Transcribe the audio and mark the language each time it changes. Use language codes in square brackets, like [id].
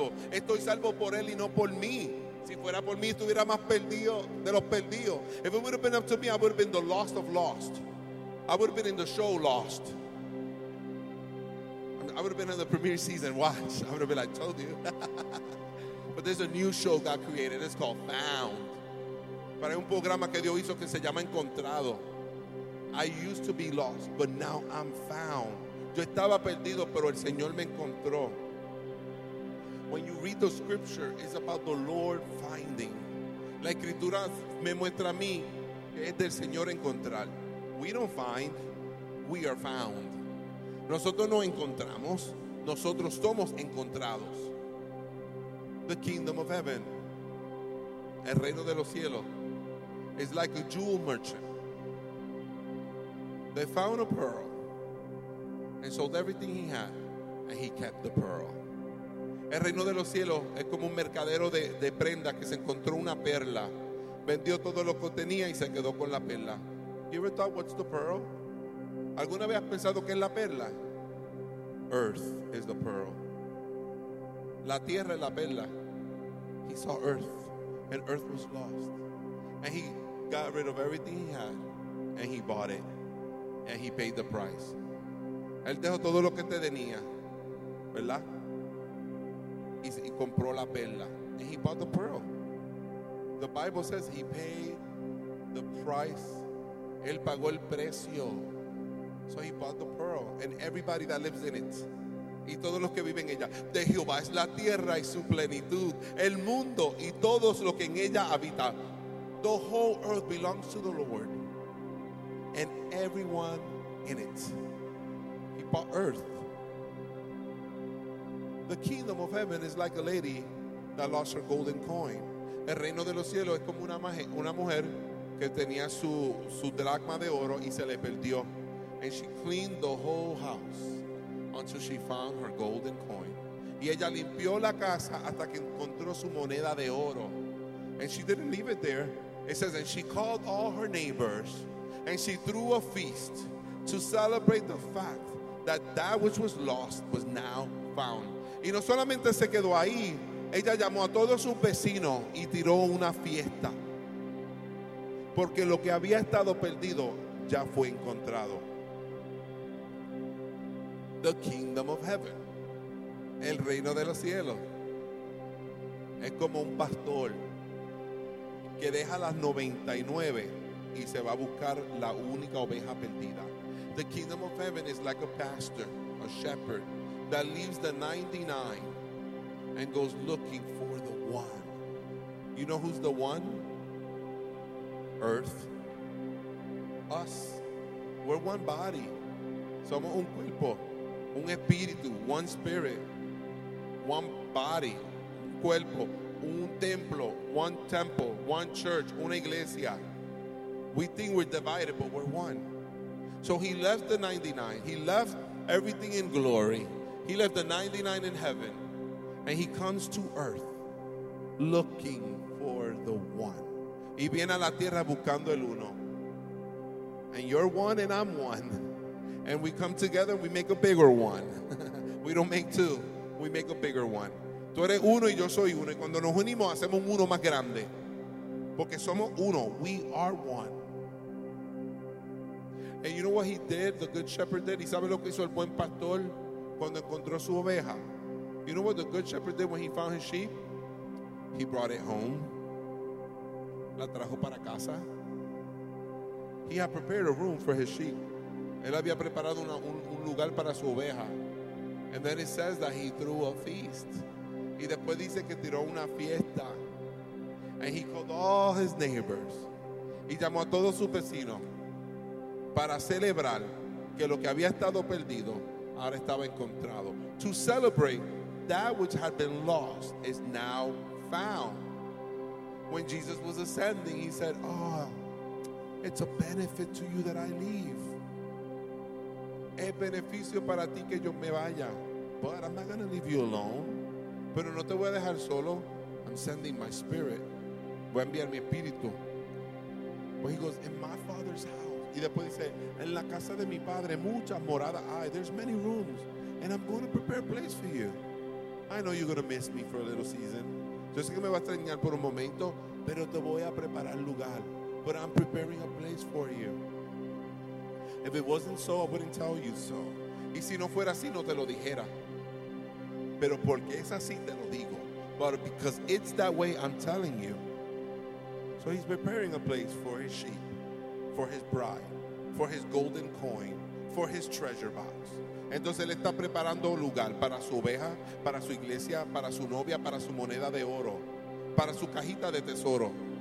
[es] Estoy salvo por él y no por mí. Si fuera por mí, estuviera más perdido de los perdidos. [en] If it would have been up to me, I would have been the lost of lost. I would have been in the show lost. I would have been in the premiere season, watch. I would have been like, told you. But there's a new show God created. It's called Found. [es] Pero hay un programa que Dios hizo que se llama Encontrado. [en] I used to be lost, but now I'm found. [es] Yo estaba perdido, pero el Señor me encontró. [en] When you read the scripture, it's about the Lord finding. [es] La escritura me muestra a mí que es del Señor encontrar. [en] We don't find, we are found. [es] Nosotros no encontramos, nosotros somos encontrados. [en] The kingdom of heaven, [es] el reino de los cielos, [en] is like a jewel merchant. They found a pearl and sold everything he had, and he kept the pearl. [es] El reino de los cielos es como un mercadero de prendas que se encontró una perla, vendió todo lo que tenía y se quedó con la perla. [en] You ever thought what's the pearl? [es] ¿Alguna vez has pensado qué es la perla? [en] Earth is the pearl. [es] La tierra es la perla. [en] He saw earth, and earth was lost, and he got rid of everything he had, and he bought it, and he paid the price. [es] Él dejó todo lo que te tenía, ¿verdad? [en] Y compró la perla. And he bought the pearl. The Bible says he paid the price. [es] Él pagó el precio. [en] So he bought the pearl. And everybody that lives in it. [es] Y todos los que viven en ella. De Jehová es la tierra y su plenitud. El mundo y todos los que en ella habitan. [en] The whole earth belongs to the Lord. And everyone in it. He bought earth. The kingdom of heaven is like a lady that lost her golden coin. [es] El reino de los cielos es como una mujer que tenía su dracma de oro y se le perdió. [en] And she cleaned the whole house until she found her golden coin. [es] Y ella limpió la casa hasta que encontró su moneda de oro. [en] And she didn't leave it there. It says, and she called all her neighbors and she threw a feast to celebrate the fact that that which was lost was now found. [es] Y no solamente se quedó ahí, ella llamó a todos sus vecinos y tiró una fiesta. Porque lo que había estado perdido ya fue encontrado. [en] The kingdom of heaven, [es] el reino de los cielos, es como un pastor que deja las 99 y se va a buscar la única oveja perdida. [en] The kingdom of heaven is like a pastor, a shepherd, that leaves the 99 and goes looking for the one. You know who's the one? Earth. Us. We're one body. [es] Somos un cuerpo, un espíritu, [en] one spirit, one body, [es] un cuerpo, un templo, [en] one temple, one church, [es] una iglesia. [en] We think we're divided, but we're one. So he left the 99. He left everything in glory. He left the 99 in heaven, and he comes to earth looking for the one. [es] Y viene a la tierra buscando el uno. [en] And you're one and I'm one. And we come together, we make a bigger one. We don't make two, we make a bigger one. [es] Tú eres uno y yo soy uno. Y cuando nos unimos, hacemos un uno más grande. Porque somos uno, [en] we are one. And you know what he did, the good shepherd did? [es] ¿Y sabes lo que hizo el buen pastor? Cuando encontró su oveja. [en] You know what the good shepherd did when he found his sheep? He brought it home. [es] La trajo para casa. [en] He had prepared a room for his sheep. [es] Él había preparado un lugar para su oveja. [en] And then it says that he threw a feast. [es] Y después dice que tiró una fiesta. [en] And he called all his neighbors. [es] Y llamó a todos sus vecinos para celebrar que lo que había estado perdido ahora estaba encontrado. [en] To celebrate that which had been lost is now found. When Jesus was ascending, he said, oh, it's a benefit to you that I leave. [es] Es beneficio para ti que yo me vaya. [en] But I'm not going to leave you alone. [es] Pero no te voy a dejar solo. [en] I'm sending my spirit. [es] Voy a enviar mi espíritu. [en] But he goes, in my Father's house. [es] Y después dice, en la casa de mi padre muchas moradas hay. [en] There's many rooms, and I'm going to prepare a place for you. I know you're going to miss me for a little season. [es] Yo sé que me va a extrañar por un momento, pero te voy a preparar lugar. [en] But I'm preparing a place for you. If it wasn't so, I wouldn't tell you so. [es] Y si no fuera así, no te lo dijera. Pero porque es así, te lo digo. [en] But because it's that way, I'm telling you. So he's preparing a place for his sheep, for his bride, for his golden coin, for his treasure box. [es] Entonces él está preparando un lugar para su oveja, para su iglesia, para su novia, para su moneda de oro, para su cajita de tesoro.